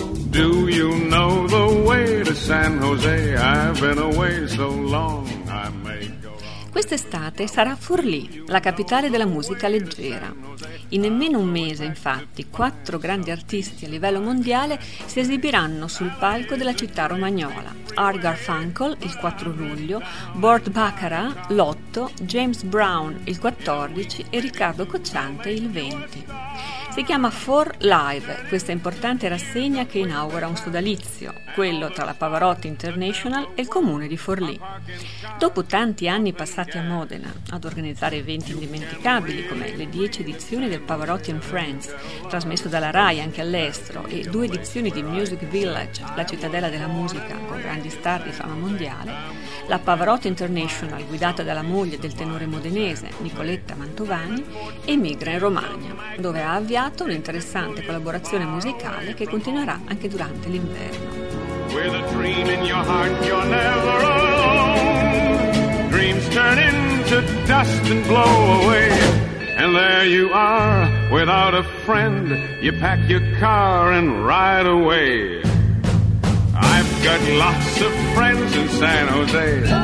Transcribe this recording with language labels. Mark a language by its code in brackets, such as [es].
[en] Do you know the way to San Jose? I've been away so long. [it] Quest'estate sarà Forlì, la capitale della musica leggera. In nemmeno un mese, infatti, quattro grandi artisti a livello mondiale si esibiranno sul palco della città romagnola: Art Garfunkel il 4 luglio, Burt Bacharach l'8, James Brown il 14 e Riccardo Cocciante il 20. Si chiama For Live, questa importante rassegna che inaugura un sodalizio, quello tra la Pavarotti International e il comune di Forlì. Dopo tanti anni passati a Modena, ad organizzare eventi indimenticabili come le 10 edizioni del Pavarotti and Friends, trasmesso dalla RAI anche all'estero, e due edizioni di Music Village, la cittadella della musica, con grandi star di fama mondiale, la Pavarotti International, guidata dalla moglie del tenore modenese, Nicoletta Mantovani, emigra in Romagna, dove ha avviato un'interessante collaborazione musicale che continuerà anche durante l'inverno. [en] With a dream in your heart, you're never alone. Dreams turn into dust and blow away. And there you are, without a friend. You pack your car and ride away. I've got lots of friends in San Jose.